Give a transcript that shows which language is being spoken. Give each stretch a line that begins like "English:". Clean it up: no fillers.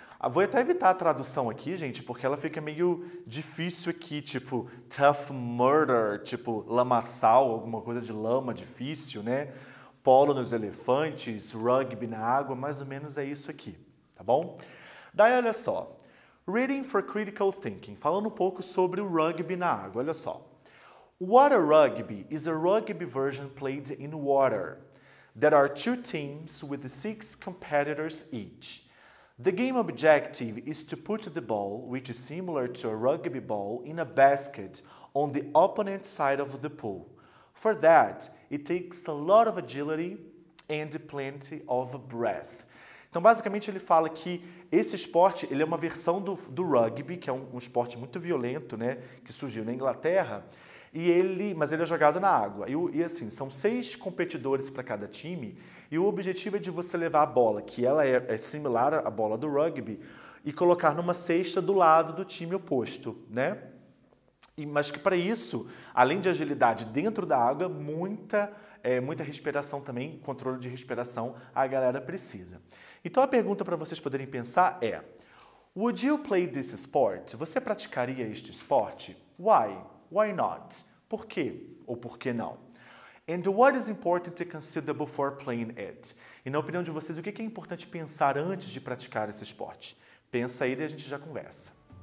Portuguese: Vou até evitar a tradução aqui, gente, porque ela fica meio difícil aqui, tipo tough mudder, tipo lamaçal, alguma coisa de lama difícil, né? Polo nos elefantes, rugby na água, mais ou menos é isso aqui, tá bom? Daí olha só. Reading for critical thinking, falando um pouco sobre o rugby na água, olha só.
English: Water rugby is a rugby version played in water. There are two teams with six competitors each. The game objective is to put the ball, which is similar to a rugby ball, in a basket on the opponent's side of the pool. For that, it takes a lot of agility and plenty of breath.
Portuguese: Então, basicamente, ele fala que esse esporte, ele é uma versão do rugby, que é um esporte muito violento, né, que surgiu na Inglaterra, mas ele é jogado na água. E assim, são seis competidores para cada time. E o objetivo é de você levar a bola, que ela é similar à bola do rugby, e colocar numa cesta do lado do time oposto, né? Mas que para isso, além de agilidade dentro da água, muita respiração também, controle de respiração, a galera precisa. Então a pergunta para vocês poderem pensar é:
English: Would you play this sport?
Portuguese: Você praticaria este esporte?
English: Why? Why not?
Portuguese: Por quê? Ou por que não?
English: And what is important to consider before playing it?
Portuguese: E na opinião de vocês, o que é importante pensar antes de praticar esse esporte? Pensa aí e a gente já conversa.